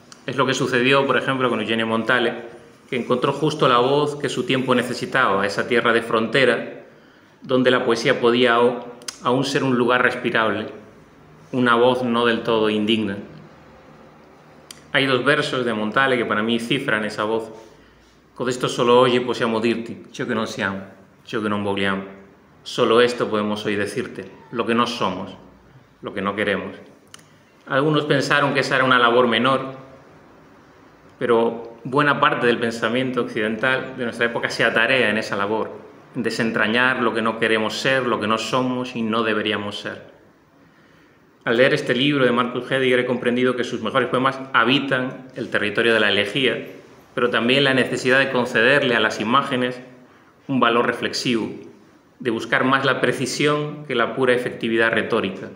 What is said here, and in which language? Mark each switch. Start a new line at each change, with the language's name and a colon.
Spanish: Es lo que sucedió, por ejemplo, con Eugenio Montale, que encontró justo la voz que su tiempo necesitaba, esa tierra de frontera donde la poesía podía aún ser un lugar respirable, una voz no del todo indigna. Hay dos versos de Montale que para mí cifran esa voz.
Italian: Con esto solo oye possiamo dirti, ciò che non siamo, ciò che non vogliamo.
Spanish: Solo esto podemos hoy decirte, lo que no somos, lo que no queremos. Algunos pensaron que esa era una labor menor, pero buena parte del pensamiento occidental de nuestra época se atarea en esa labor, en desentrañar lo que no queremos ser, lo que no somos y no deberíamos ser. Al leer este libro de Marcus Heidegger he comprendido que sus mejores poemas habitan el territorio de la elegía, pero también la necesidad de concederle a las imágenes un valor reflexivo, de buscar más la precisión que la pura efectividad retórica.